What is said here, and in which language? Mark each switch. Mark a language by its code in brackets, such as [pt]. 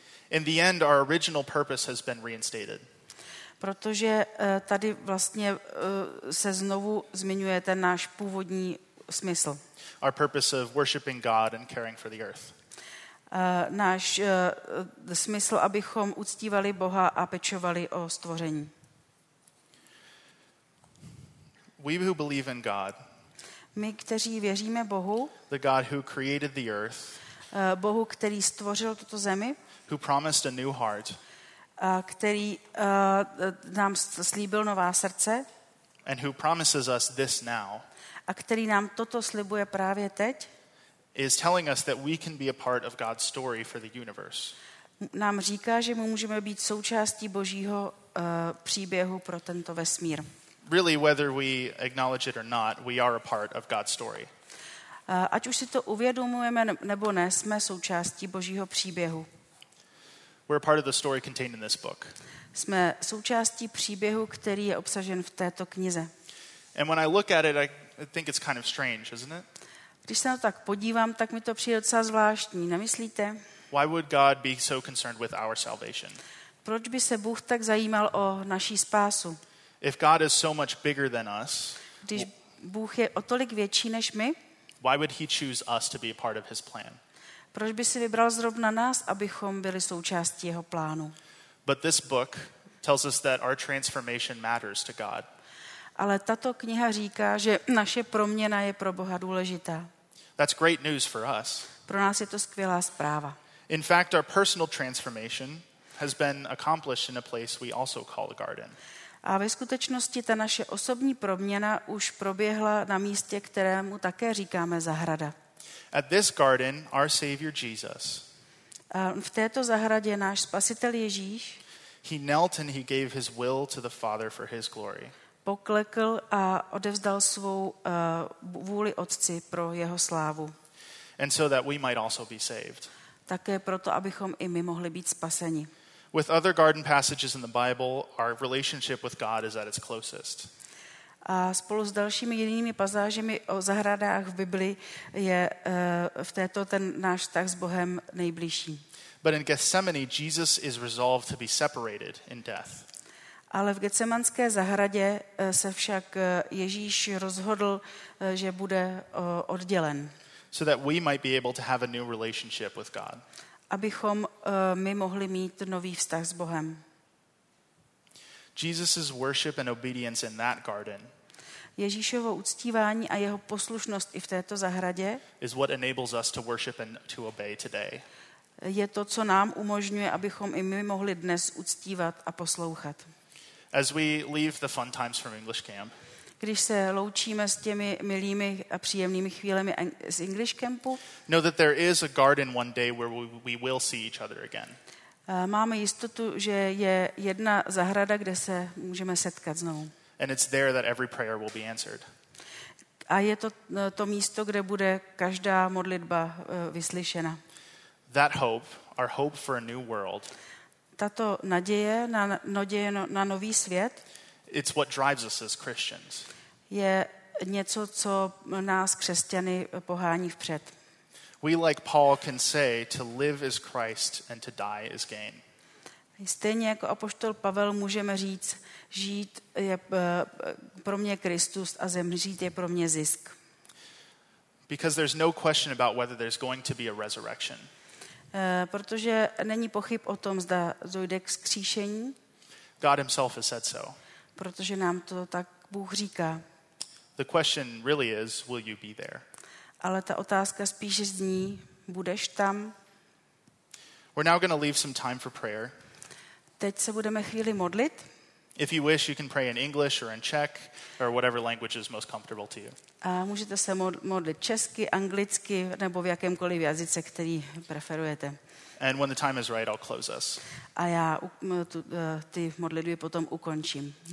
[en] In the end, our original purpose has been reinstated. [cs] Protože tady vlastně se znovu zmiňuje ten náš původní smysl. [en] Our purpose of worshiping God and caring for the earth. [cs] Náš smysl, abychom uctívali Boha a pečovali o stvoření. [en] We who believe in God. [cs] My, kteří věříme Bohu. [en] The God who created the earth. [cs] Bohu, který stvořil tuto zemi. [en] Who promised a new heart. [cs] Který nám slíbil nová srdce. [en] And who promises us this now. [cs] A který nám toto slibuje právě teď. [en] Is telling us that we can be a part of God's story for the universe. [cs] Nám říká, že my můžeme být součástí Božího příběhu pro tento vesmír. [en] Really, whether we acknowledge it or not, we are a part of God's story. [cs] Ať už si to uvědomujeme nebo ne, jsme součástí Božího příběhu. [en] We're a part of the story contained in this book. [cs] Jsme součástí příběhu, který je obsažen v této knize. [en] And when I look at it, I think it's kind of strange, isn't it? [cs] Když se na to tak podívám, tak mi to přijde docela zvláštní, nemyslíte? [en] Why would God be so concerned with our salvation? [cs] Proč by se Bůh tak zajímal o naší spásu? [en] If God is so much bigger than us, [cs] když Bůh je o tolik větší než my, [en] why would he choose us to be a part of his plan? [cs] Proč by si vybral zrovna nás, abychom byli součástí jeho plánu? [en] But this book tells us that our transformation matters to God. [cs] Ale tato kniha říká, že naše proměna je pro Boha důležitá. [en] That's great news for us. [cs] Pro nás je to skvělá zpráva. [en] In fact, our personal transformation has been accomplished in a place we also call a garden. [cs] A ve skutečnosti ta naše osobní proměna už proběhla na místě, kterému také říkáme zahrada. [en] At this garden, our Savior Jesus. [cs] A v této zahradě náš Spasitel Ježíš. [en] He knelt and he gave his will to the Father for his glory. [cs] Poklekl a odevzdal svou vůli Otci pro jeho slávu. [en] And so that we might also be saved. [cs] Také proto, abychom i my mohli být spaseni. [en] With other garden passages in the Bible, our relationship with God is at its closest. [cs] A spolu s dalšími jinými pasážemi o zahradách v Bibli je v této ten náš vztah s Bohem nejbližší. [en] But in Gethsemane, Jesus is resolved to be separated in death. [cs] Ale v Getsemanské zahradě se však Ježíš rozhodl, že bude oddělen. [en] So that we might be able to have a new relationship with God. [cs] Abychom my mohli mít nový vztah s Bohem. [en] Jesus's worship and obedience in that garden. [cs] Ježíšovo uctívání a jeho poslušnost i v této zahradě [en] is what enables us to worship and to obey today. [cs] Je to, co nám umožňuje, abychom i my mohli dnes uctívat a poslouchat. [en] As we leave the fun times from English camp. [cs] Když se loučíme s těmi milými a příjemnými chvílemi z English campu. [en] Know that there is a garden one day where we will see each other again. [cs] Máme jistotu, že je jedna zahrada, kde se můžeme setkat znovu. [en] And it's there that every prayer will be answered. [cs] A je to to místo, kde bude každá modlitba vyslyšena. [en] That hope, our hope for a new world. [cs] Tato naděje na nový svět. [en] It's what drives us as Christians. [cs] Je něco, co nás křesťany pohání vpřed. [en] We like Paul can say to live is Christ and to die is gain. [cs] Stejně jako apoštol Pavel můžeme říct, žít je pro mě Kristus a zemřít je pro mě zisk. [en] Because there's no question about whether there's going to be a resurrection. [cs] Protože není pochyb o tom, zda dojde k vzkříšení. [en] God himself has said so. [cs] Protože nám to tak Bůh říká. [en] The question really is, will you be there? [cs] Ale ta otázka spíš zní, budeš tam? [en] We're now going to leave some time for prayer. [cs] Teď se budeme chvíli modlit. [en] If you wish, you can pray in English or in Czech or whatever language is most comfortable to you. [cs] A můžete se modlit česky, anglicky nebo v jakémkoliv jazyce, který preferujete. [en] And when the time is right, I'll close us. [cs] A já ty modlitby potom ukončím.